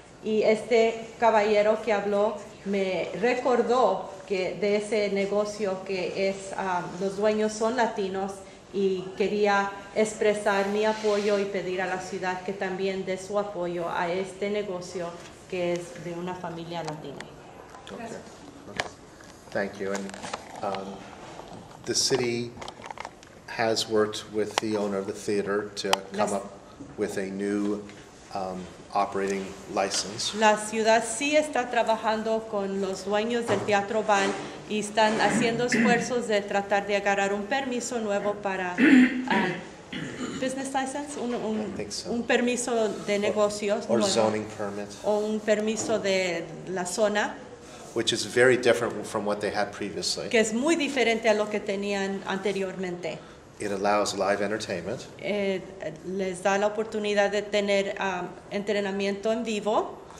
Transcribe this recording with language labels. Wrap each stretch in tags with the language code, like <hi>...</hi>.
<es>Y este caballero que habló me recordó que de ese negocio que es, los dueños son latinos, y quería expresar mi apoyo y pedir a la ciudad que también dé su apoyo a este negocio que es de una familia latina.</es> <en>Thank you. And the city has worked with the owner of the theater to come up with a new operating license.</en> <es>La ciudad sí está trabajando con los dueños del Teatro Val y están haciendo esfuerzos de tratar de agarrar un permiso nuevo para</es> <en>business license,</en> <es>un permiso de negocios.</es> <en>Or zoning permit.</en> <es>O un permiso de la zona.</es> <en>Which is very different from what they had previously.</en> <es>Que es muy diferente a lo que tenían anteriormente.</es> <en>It allows live entertainment.</en> <es>Les da la oportunidad de tener entrenamiento en vivo.</es>